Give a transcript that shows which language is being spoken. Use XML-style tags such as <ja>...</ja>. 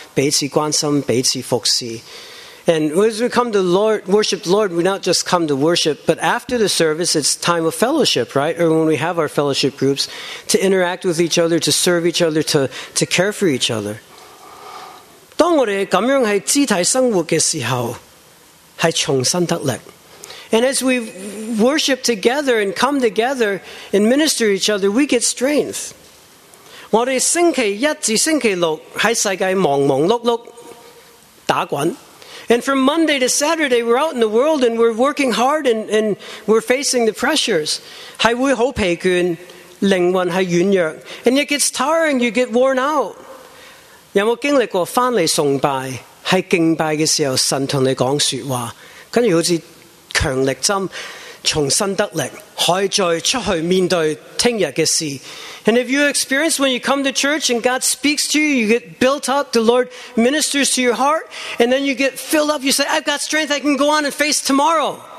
<zh>我们回来教会，一方面是敬拜主，即是当然崇拜之后，或者团契当中，我们彼此社交，彼此关心，彼此服侍。</zh> <en>And as we come to Lord, worship the Lord, we not just come to worship, but after the service, it's time of fellowship, right? Or when we have our fellowship groups, to interact with each other, to serve each other, to care for each other.</en> <zh>当我们这样在肢体生活的时候, 是重新得力。</zh> <en>And as we worship together and come together and minister to each other, we get strength.</en> <zh>我们星期一至星期六在世界忙忙碌碌打滚。</zh> <en>And from Monday to Saturday, we're out in the world and we're working hard and we're facing the pressures.</en> <zh>是会很疲倦，灵魂是软弱。</zh> <en>And it gets tiring, you get worn out.</en> <zh>有没有经历过回来崇拜，在敬拜的时候，神同你讲说话，跟住好似强力针，重新得力，可以再出去面对听日的事。</zh> <en>And have you experienced when you come to church and God speaks to you, you get built up, the Lord ministers to your heart, and then you get filled up, you say, I've got strength, I can go on and face tomorrow.</en>